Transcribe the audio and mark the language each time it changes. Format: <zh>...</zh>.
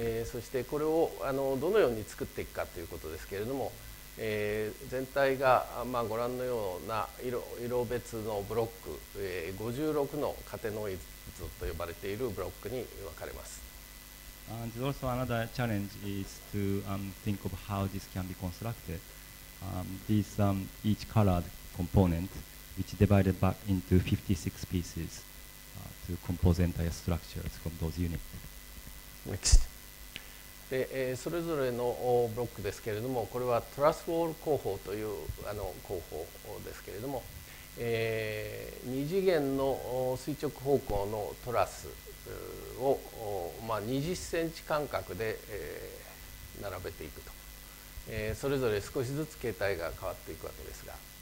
<ja>そしてこれをどのように作っていくかということですけれども、全体が、まあ、ご覧のような色別のブロック、56のカテノイズと呼ばれているブロックに分かれます。</ja> <en>And also another challenge is to think of how this can be constructed. These each colored component, which divided back into 56 pieces to compose entire structures from those units. Next.</en> <ja>で、それぞれのブロックですけれども、これはトラスウォール工法という工法ですけれども、二次元の垂直方向のトラスを、まあ、20センチ間隔で、並べていくと、それぞれ少しずつ形態が変わっていくわけですが。</ja>